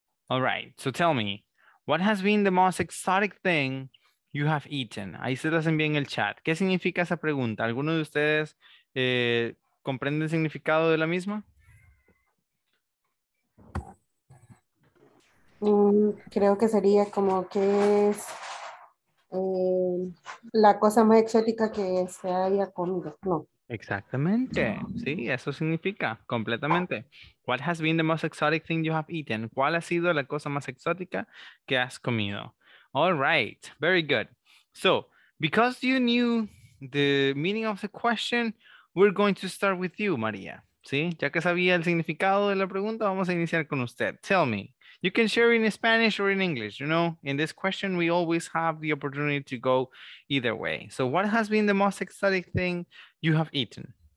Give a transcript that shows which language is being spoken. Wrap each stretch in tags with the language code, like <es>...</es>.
<en>All right, so tell me, what has been the most exotic thing you have eaten?</en> <es>Ahí se las envié en el chat. ¿Qué significa esa pregunta? ¿Alguno de ustedes comprende el significado de la misma? Creo que sería como que es la cosa más exótica que se haya comido, ¿no? Exactamente, sí, eso significa completamente.</es> <en>What has been the most exotic thing you have eaten?</en> <es>¿Cuál ha sido la cosa más exótica que has comido?</es> <en>All right, very good. So, because you knew the meaning of the question, we're going to start with you, María.</en> <es>Sí, ya que sabía el significado de la pregunta, vamos a iniciar con usted.</es> <en>Tell me. You can share in Spanish or in English, you know. In this question, we always have the opportunity to go either way. So what has been the most exotic thing you have eaten?</en>